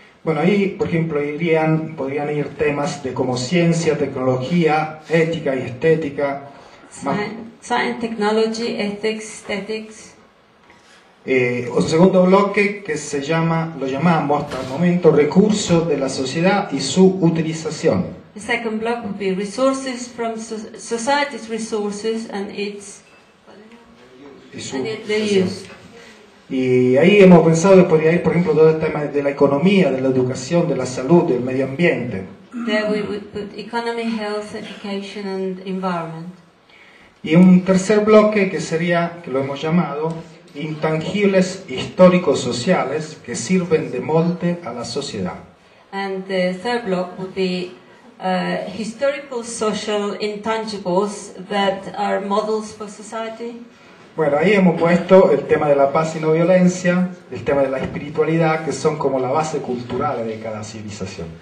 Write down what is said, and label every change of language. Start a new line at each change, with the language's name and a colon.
Spanish: Bueno, ahí, por ejemplo, podrían ir temas de como ciencia, tecnología, ética y estética.
English: Science, technology, ethics, aesthetics.
Spanish: Un segundo bloque que se llama, lo llamamos hasta el momento, recursos de la sociedad y su utilización.
English: The second block would be resources from society's resources and its use.
Spanish: Y ahí hemos pensado que podría ir, por ejemplo, todo el tema de la economía, de la educación, de la salud, del medio ambiente.
English: There we would put economy, health, education and environment.
Spanish: Y un tercer bloque que sería, que lo hemos llamado, intangibles históricos sociales que sirven de molde a la sociedad.
English: And the third block would be historical social intangibles that are models for society.
Spanish: Bueno, ahí hemos puesto el tema de la paz y no violencia, el tema de la espiritualidad, que son como la base cultural de cada civilización.